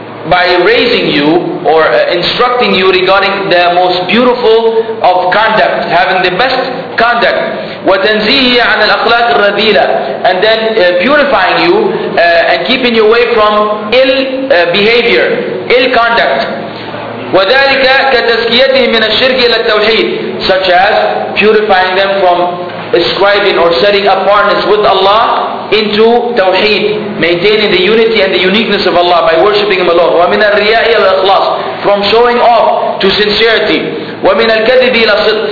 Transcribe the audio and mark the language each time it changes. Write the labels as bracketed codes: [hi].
[en] By raising you or instructing you regarding the most beautiful of conduct, having the best conduct. [ar] وتنزيه عن الأخلاق الرذيلة. [en] And then purifying you and keeping you away from ill behavior, ill conduct. [ar] وذلك كتزكيته من الشرك إلى التوحيد. [en] Such as purifying them from ascribing or setting up partners with Allah into Tawheed, maintaining the unity and the uniqueness of Allah by worshipping Him alone. [ar] وَمِنَ الرِّيَاءِ إِلَى الْإِخْلَاصِ. [en] From showing off to sincerity. [ar] وَمِنَ الْكَذِبِ إِلَى الصِّدْقِ.